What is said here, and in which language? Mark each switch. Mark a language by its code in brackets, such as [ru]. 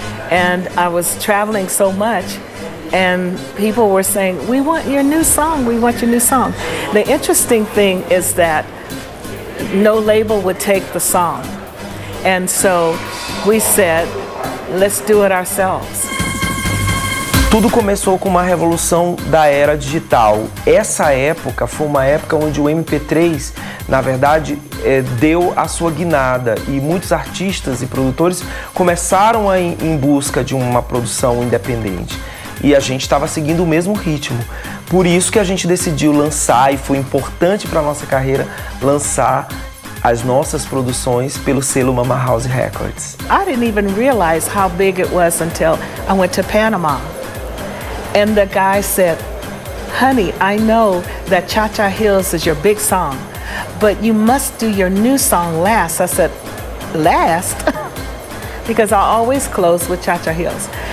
[en] And I was traveling so much, and people were saying, we want your new song, we want your new song. The interesting thing is that no label would take the song. And so we said, let's do it ourselves. [pt] Tudo começou com uma revolução da era digital. Essa época foi uma época onde o MP3, na verdade, deu a sua guinada e muitos artistas e produtores começaram a ir em busca de uma produção independente. E a gente estava seguindo o mesmo ritmo. Por isso que a gente decidiu lançar, e foi importante para a nossa carreira, lançar as nossas produções pelo selo Mama House Records. [en] I didn't even realize how big it was until I went to Panama. And the guy said, honey, I know that Cha-Cha Hills is your big song, but you must do your new song last. I said, last? Because I always close with Cha-Cha Hills.